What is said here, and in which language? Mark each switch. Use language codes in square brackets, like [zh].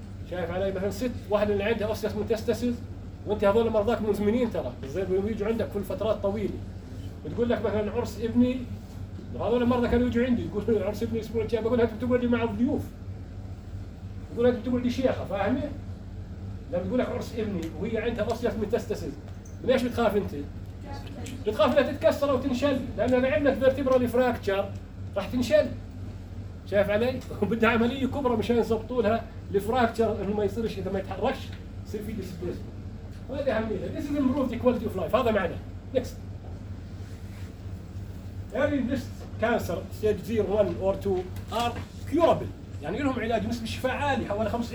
[ar] شايف علي مثلا ست واحد اللي عندها اوسياس ميتاستاسيس وانت هذول مرضاك مزمنين ترى بيصيروا يجوا عندك في فترات طويله بتقول لك مثلا عرس ابني هذول المرضى كانوا يجوا عندي يقولوا عرس ابني اسبوع الجاي بقول لك بتقعد مع الضيوف بقول لك بتقعد شيخه فاهمه لما بقول لك عرس ابني وهي عندها اوسياس ميتاستاسيس من ايش بتخاف انت؟ بتخاف انها تتكسر او تنشل لان انا عملت فيرتيبرال فراكتشر راح تنشل. شايف علي؟ بدها عمليه كبرى مشان يظبطوا لها الفراكتشر انه ما يصيرش اذا ما يتحركش يصير في ديسبلسمنت. وهذه اهميتها. [en] This is improved quality of life. [ar] هذا معنى. Next. [en] Early breast cancer stage 0, 1 or 2 are curable. [ar] يعني لهم علاج نسبة شفاء عالي حوالي 50%.